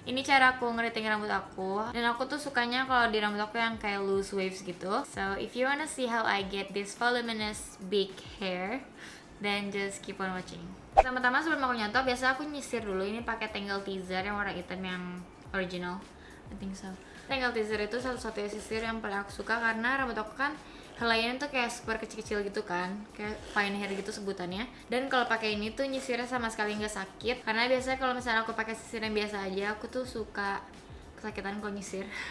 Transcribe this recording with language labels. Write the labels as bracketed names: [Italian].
[Indonesian] Ini cara aku ngeriting rambut aku, dan aku tuh sukanya kalau di rambut aku yang kayak [English] loose waves [Indonesian] gitu. [English] So if you wanna see how I get this voluminous big hair, then just keep on watching. [Indonesian] Pertama-tama sebelum aku nyatok, biasa aku nyisir dulu. Ini pakai tangle teaser yang warna hitam yang original, [English] I think so. [Indonesian] Tangle teaser itu satu-satu sisir yang paling aku suka karena rambut aku kan helainya tuh kayak super kecil-kecil gitu kan, kayak fine hair gitu sebutannya. Dan kalau pakai ini tuh nyisirnya sama sekali nggak sakit. Karena biasanya kalau misalnya aku pakai sisir yang biasa aja, aku tuh suka kesakitan kalau nyisir.